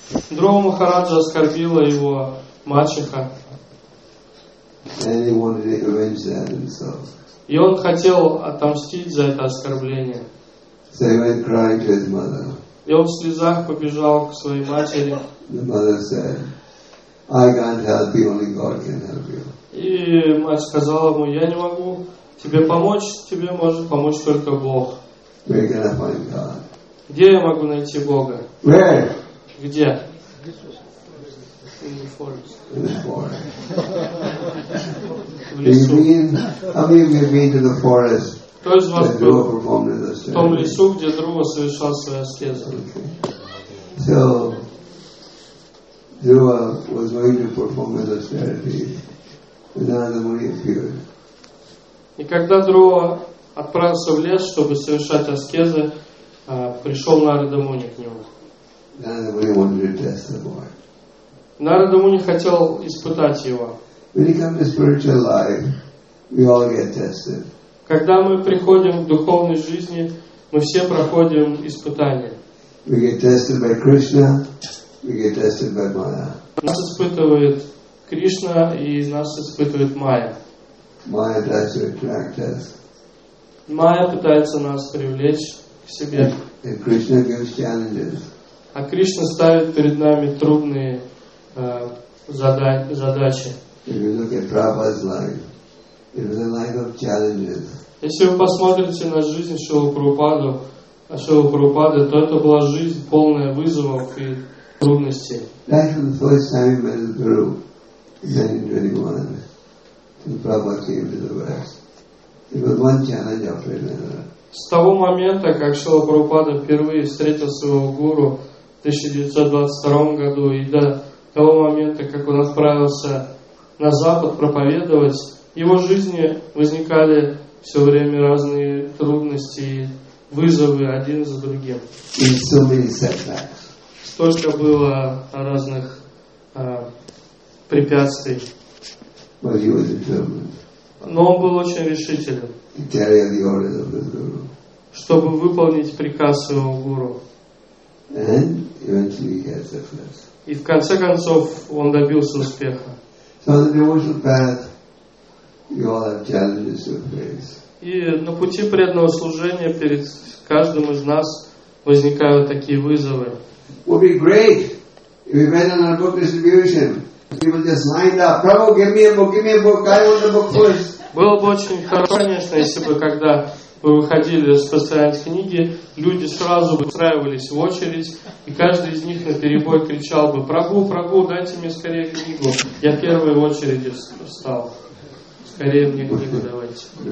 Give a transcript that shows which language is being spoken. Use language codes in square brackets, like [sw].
[ru] Друва Махараджа оскорбила его мачеха. [en] And he wanted to avenge that himself. [ru] И он хотел отомстить за это оскорбление. [en] So he went crying to his mother. [ru] И он в слезах побежал к своей матери. [en] The mother said, I can't help you, only God can help you. [ru] И мать сказала ему, я не могу тебе помочь, тебе может помочь только Бог. [en] Where can I find God? [ru] Где я могу найти Бога? [en] Where? [ru] Где? [en] In the forest. [ru] Кто из вас был в том лесу, где Друва совершал свою аскезу? [en] So, Друва was going to perform his austerity, and Narada Muni appeared. [ru] И когда Друва отправился в лес, чтобы совершать аскезы, пришел Нарада Муни к нему. [en] Narada Muni wanted to test the boy. [ru] Нарада Муни хотел испытать его. [en] When you come to spiritual life, we all get tested. [ru] Когда мы приходим к духовной жизни, мы все проходим испытания. [en] We get tested by Krishna, we get tested by Maya. [ru] Нас испытывает Кришна и нас испытывает Майя. [en] Maya tries to attract us. [ru] Майя пытается нас привлечь к себе. [en] And Krishna gives challenges. [ru] А Кришна ставит перед нами трудные задачи. [en] If you look at Prabhupada's life, it was a life of challenges. [ru] Если вы посмотрите на жизнь Шрилы Прабхупады, то это была жизнь полная вызовов и трудностей. [en] That was the first time he met his guru in 1921, when Prabhupada came to the West. It was one challenge after another. [ru] С того момента, как Шрила Прабхупада впервые встретил своего гуру в 1922 году и до того момента, как он отправился на Запад проповедовать, в его жизни возникали все время разные трудности и вызовы один за другим. [en] So many setbacks. [ru] Столько было разных препятствий. [en] But he was determined. [ru] Но он был очень решителен. [en] To carry the orders of his guru. [ru] Чтобы выполнить приказ своего гуру. [en] And eventually he had success. [ru] И в конце концов он добился успеха. [en] So the devotional path, you all have challenges to face. [ru] И на пути преданного служения перед каждым из нас возникают такие вызовы. [en] Would be great if we went on our book distribution. People just lined up. Prabhu, give me a book. I want the book first. [ru] Было бы очень хорошо, конечно, если бы, когда вы выходили распространять книги, люди сразу бы устраивались в очередь, и каждый из них наперебой кричал бы: Прабу, дайте мне скорее книгу. Я в первой очереди встал. Скорее мне книгу давайте.